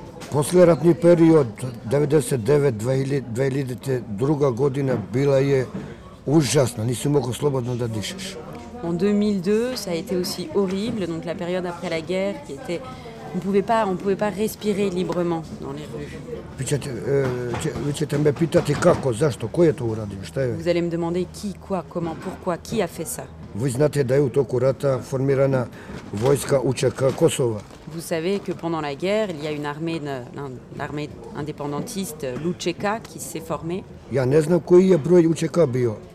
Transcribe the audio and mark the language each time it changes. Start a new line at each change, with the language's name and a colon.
Serbian: Posleratni period 1999-2002 godina bila je užasna, nisi mogao slobodno da dišeš.
French: En 2002, ça a été aussi horrible, donc la période après la guerre qui était on pouvait pas respirer librement dans les rues.
Serbian: Vi ćete me pitati kako, zašto, ko je to uradio, šta je?
French: Vous allez me demander qui, quoi, comment, pourquoi, qui a fait ça?
Serbian: Vi znate da je u toku rata formirana vojska UČK Kosova.
French: Vous savez que pendant la guerre, il y a une armée l'armée indépendantiste l'UČK qui s'est formée.
Serbian: Ja ne znam koji je broj UČK bio.